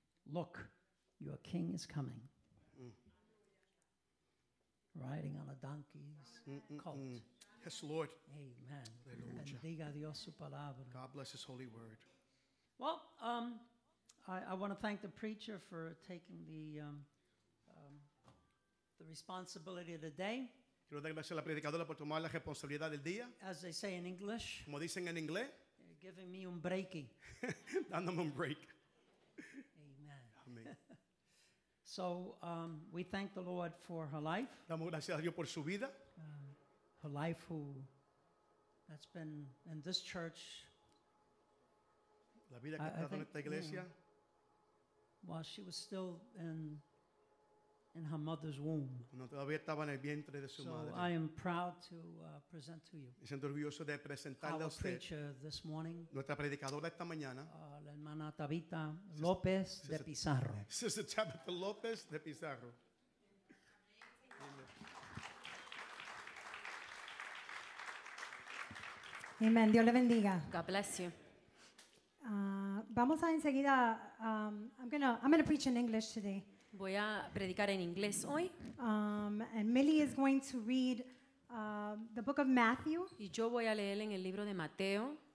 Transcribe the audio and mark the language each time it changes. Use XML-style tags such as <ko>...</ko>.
<en>Look, your king is coming." Mm. Riding on a donkey's colt. Yes, Lord. Amen. Aleluya.</en> <es>Bendiga Dios su palabra.</es> <en>God bless his holy word. Well, I want to thank the preacher for taking the responsibility of the day.</en> <es>Quiero dar gracias a la predicadora por tomar la responsabilidad del día.</es> <en>As they say in English.</en> <es>Como dicen en inglés.</es> <en>You're giving me un breaky.</en> <es>Dándome un break. Amen. Amen.</es> <en>So we thank the Lord for her life.</en> <es>Damos gracias a Dios por su vida.</es> <en>Her life, who that's been in this church.</en> <es>La vida que ha estado en esta iglesia.</es> <en>While she was still in her mother's womb.</en> <es>No, todavía estaba en el vientre de su</es> <en>so</en> <es>madre.</es> <en>I am proud to present to you.</en> <es>Me siento orgulloso de presentarle</es> <en>our</en> <es>a usted.</es> <en>Preacher this morning.</en> <es>Nuestra predicadora esta mañana. La hermana Tabitha López de Pizarro.</es> <en>Sister Tabitha López de Pizarro.</en> <es>Amen. Dios le bendiga.</es> <en>God bless you.</en> <es>Vamos a enseguida.</es> <en>I'm gonna preach in English today.</en> <es>Voy a predicar en inglés hoy.</es> <en>And Millie is going to read the book of Matthew.</en> <es>Y yo voy a leer en el libro de Mateo.</es>